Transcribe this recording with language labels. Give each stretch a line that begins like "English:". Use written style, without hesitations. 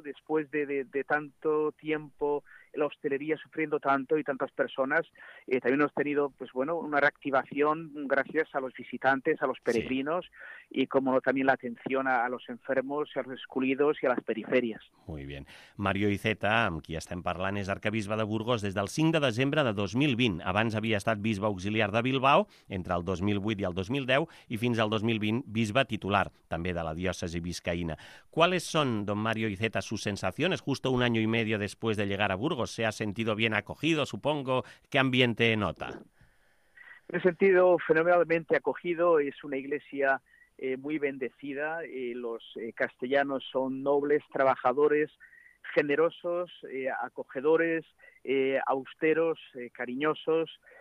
Spanish: Después de tanto tiempo, la hostelería sufriendo tanto y tantas personas, también hemos tenido pues bueno una reactivación gracias a los visitantes, a los peregrinos, sí. Y como no, también la atención a los enfermos, a los excluidos y a las periferias. Muy bien.
Catalan: Mario Iceta, amb qui estem parlant, és arcabisbe de Burgos des del 5 de desembre de 2020. Abans havia estat bisbe auxiliar de Bilbao entre el 2008 i el 2010 i fins al 2020 bisbe titular també de la diòcesi biscaína.
Spanish: ¿Cuáles son, don Mario Iceta, sus sensaciones justo un año y medio después de llegar a Burgos? ¿Se ha sentido bien acogido, supongo? ¿Qué ambiente nota? Me he sentido fenomenalmente acogido. Es una iglesia muy bendecida. Los castellanos son nobles, trabajadores, generosos, acogedores, austeros, cariñosos.